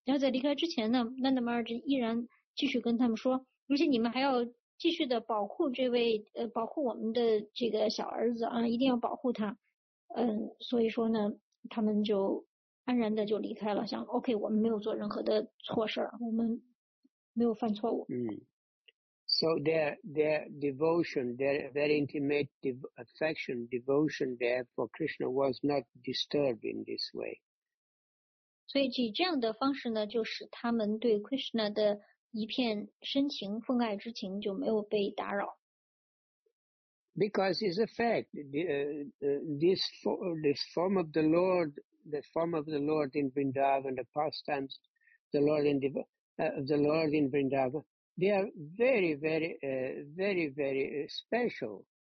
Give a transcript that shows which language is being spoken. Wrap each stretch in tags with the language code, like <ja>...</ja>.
<zh>然后在离开之前呢，南德玛尔依然继续跟他们说，而且你们还要继续的保护这位保护我们的这个小儿子啊，一定要保护他。所以说呢，他们就安然的就离开了，想 OK， 我们没有做任何的错事，我们没有犯错误。</zh> <en>So their devotion, their very intimate affection, devotion they have for Krishna was not disturbed in this way.</en> <zh>所以以这样的方式呢，就使他们对 Krishna 的一片深情、奉爱之情就没有被打扰。</zh> <en>Because it's a fact, this form of the Lord, the form of the Lord in Vrindavan and the pastimes, the Lord in Vrindavan, they are very, very, very, very special.</en>